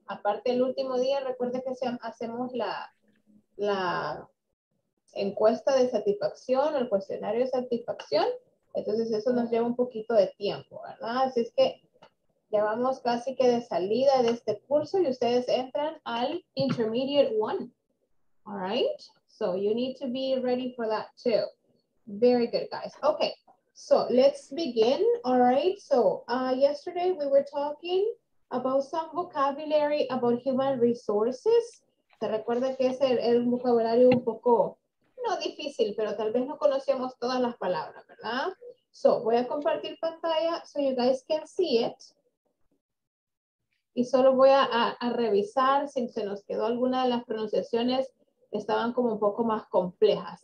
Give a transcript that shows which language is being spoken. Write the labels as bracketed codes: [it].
[es] Aparte el último día, recuerden que hacemos la encuesta de satisfacción, el cuestionario de satisfacción, entonces eso nos lleva un poquito de tiempo, ¿verdad? Así es que ya vamos casi que de salida de este curso y ustedes entran al intermediate one. [en] All right, so you need to be ready for that too. Very good, guys. Okay, so let's begin. All right, so yesterday we were talking about some vocabulary about human resources. [es] ¿Te recuerda que es el vocabulario un poco, no difícil, pero tal vez no conocíamos todas las palabras, ¿verdad? [en] So [es] voy a compartir pantalla [en] so you guys can see it. [es] Y solo voy a revisar si se nos quedó alguna de las pronunciaciones que estaban como un poco más complejas.